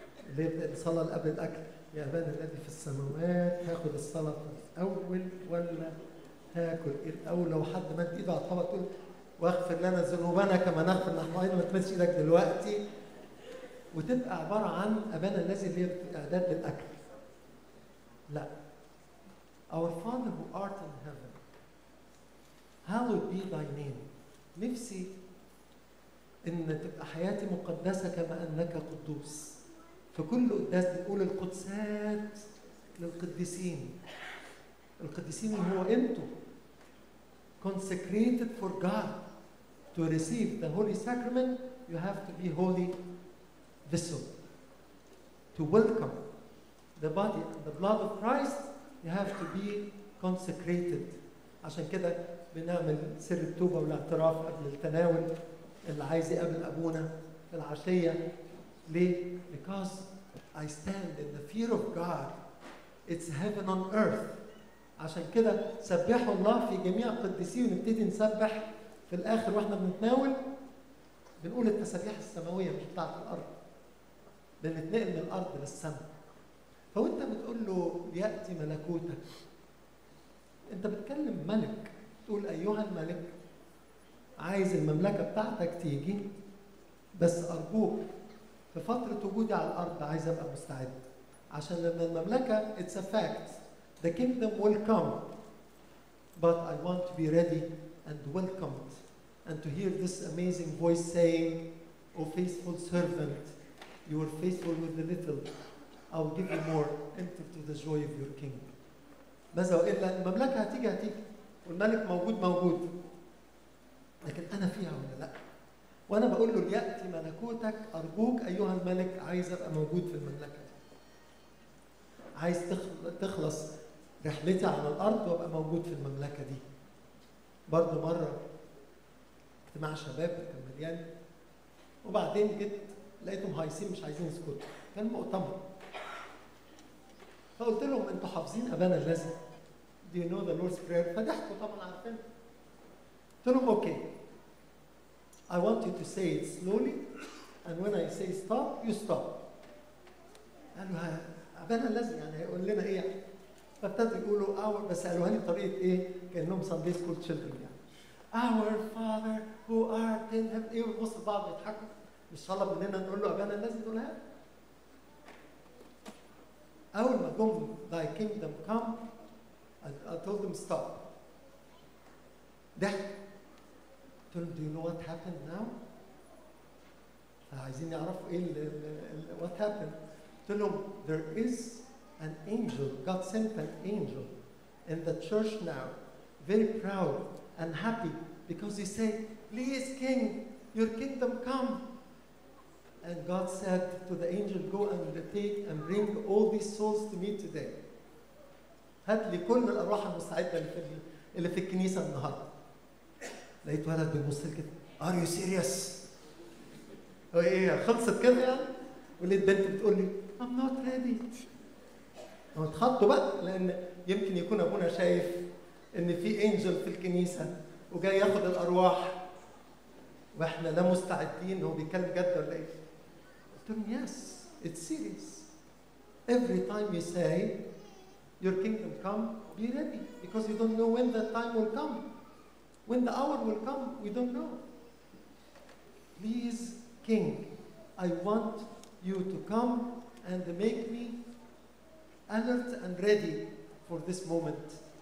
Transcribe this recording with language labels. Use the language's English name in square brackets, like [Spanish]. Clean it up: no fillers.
[Arabic] اللي يبدأ الصلاة قبل الأكل. يا أبانا الذي في السماوات هاخد الصلاة الأول ولا هاكل الأول؟ لو حد مد إيده على الطبق تقول واغفر لنا ذنوبنا كما نغفر نحن أيضا، ما تمدش إيدك دلوقتي. وتبقى عبارة عن أبانا الذي اللي هي إعداد للأكل. لا. [English] Our Father who art in heaven, hallowed be thy name. [Arabic] نفسي إن تبقى حياتي مقدسة كما أنك قدوس. فكل قداس بيقول القدسات للقديسين. القديسين هو أنتو. [English] Consecrated for God. To receive the Holy Sacrament, you have to be holy vessel. To welcome the body and the blood of Christ, you have to be consecrated. [Arabic] عشان كده بنعمل سر التوبة والاعتراف قبل التناول اللي عايز يقابل أبونا في العشية. ليه؟ [English] Because I stand in the fear of God. It's heaven on earth. [Arabic] عشان كده سبحوا الله في جميع القديسين ونبتدي نسبح في الآخر واحنا بنتناول بنقول التسبيح السماوية مش بتاعت الأرض. بنتنقل من الأرض للسماء. فأنت بتقول له ليأتي ملكوتك. أنت بتكلم ملك. تقول أيها الملك عايز المملكة بتاعتك تيجي بس أرجوك في فترة وجودي على الأرض عايز أبقى مستعد. عشان لما المملكة [English] it's a fact. The kingdom will come. But I want to be ready and welcomed and to hear this amazing voice saying, O faithful servant, you are faithful with the little. I will give you more. Enter to the joy of your king. [Arabic] ماذا وإلا المملكة هتيجي هتيجي والملك موجود موجود. لكن أنا فيها ولا لأ؟ وأنا بقول له ليأتي ملكوتك أرجوك أيها الملك عايز أبقى موجود في المملكة. عايز تخلص رحلتي على الأرض وأبقى موجود في المملكة دي. برضو مرة اجتماع شباب كان مليان وبعدين جيت لقيتهم هايسين مش عايزين يسكتوا. كان مؤتمر. فقلت لهم أنتوا حافظين أبانا الذي [English] Do you know the Lord's Prayer؟ [Arabic] فضحكوا طبعا عارفين. تقولهم [English] okay. I want you to say it slowly and when I say stop, you stop. [Arabic] قالوا أبانا الذي يعني هيقول لنا إيه؟ فابتدوا يقولوا أول بس قالوا هني طريقة إيه؟ كأنهم [English] Sunday School Children [Arabic] يعني. [English] Our Father who art in heaven. [Arabic] إيه ونبص لبعض يضحكوا. مش طلب مننا نقول له أبانا الذي نقولها؟ أول ما قم [English] thy kingdom come, I told them stop. [Arabic] ده تقولوا [English] do you know what happened now؟ [Arabic] عايزين يعرفوا ايه اللي [English] what happened؟ [Arabic] تقولوا [English] there is an angel, God sent an angel in the church now, very proud and happy because he said, please king, your kingdom come. And God said to the angel, go and take and bring all these souls to me today. [Arabic] هات لي كل الأرواح المستعدة اللي في الكنيسة النهاردة. لقيت ولد بيبص لي كده [English] Are you serious? [Arabic] هو ايه خلصت كده يعني؟ ولقيت بنت بتقول لي [English] I'm not ready. [Arabic] هو اتخضوا بقى لان يمكن يكون ابونا شايف ان في انجل في الكنيسه وجاي ياخد الارواح واحنا لا مستعدين. هو بيتكلم جد ولا ايه؟ قلت لهم [English] Yes it's serious. Every time you say your kingdom come, be ready because you don't know when that time will come. When the hour will come, we don't know. Please, King, I want you to come and make me alert and ready for this moment.